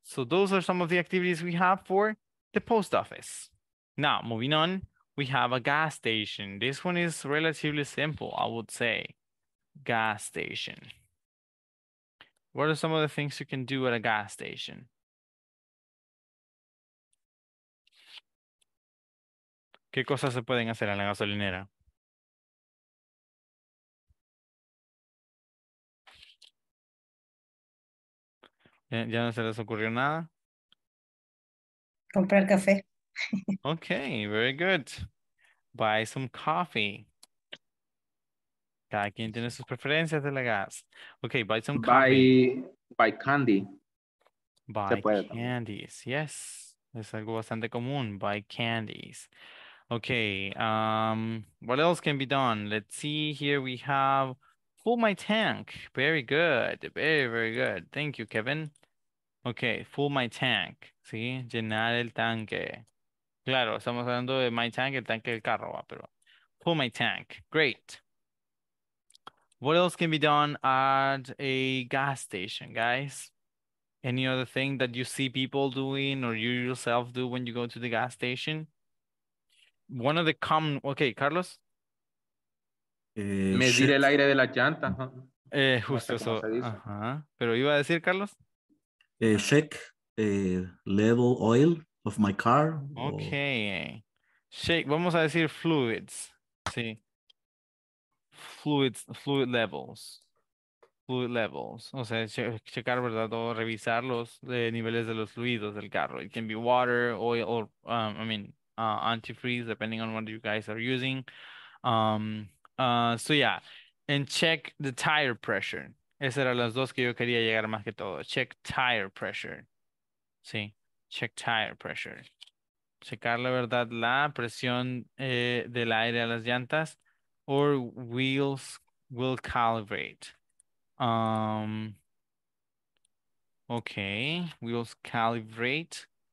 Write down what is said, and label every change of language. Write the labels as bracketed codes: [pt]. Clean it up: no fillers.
[en] So, those are some of the activities we have for the post office. Now, moving on. We have a gas station. This one is relatively simple, I would say. Gas station. What are some of the things you can do at a gas station? [es] ¿Qué cosas se pueden hacer en la gasolinera? ¿Ya no se les ocurrió nada? Comprar café. [en] Okay, very good. Buy some coffee. [es] Cada quien tiene sus preferencias de la gas. [en] Okay, buy some coffee. Buy candy. Buy candies, yes. [es] Es algo bastante común, [en] buy candies. Okay, what else can be done? Let's see, here we have Full my tank. Very good. Very, very good. Thank you, Kevin. Okay, full my tank. [es] ¿Sí? Llenar el tanque. Claro, estamos hablando de my tank, el tanque del carro, ¿va? [en] Pero full my tank. Great. What else can be done at a gas station, guys? Any other thing that you see people doing or you yourself do when you go to the gas station? One of the common... Okay, Carlos? [es] Medir el aire de la llanta. Justo eso. Uh-huh. ¿Pero iba a decir, Carlos? [en] Check level oil of my car. [es] Okay. Check. Vamos a decir fluids. Sí. [en] Fluids, fluid levels. Fluid levels. [es] O sea, checar, ¿verdad? O revisar los niveles de los fluidos del carro. [en] It can be water, oil, or, antifreeze, depending on what you guys are using. And check the tire pressure. [es] Esas eran las dos que yo quería llegar más que todo. [en] Check tire pressure. [es] Sí, [en] check tire pressure. [es] Checar, la verdad, la presión del aire a las llantas. [en] Or wheels will calibrate. Okay, wheels calibrate.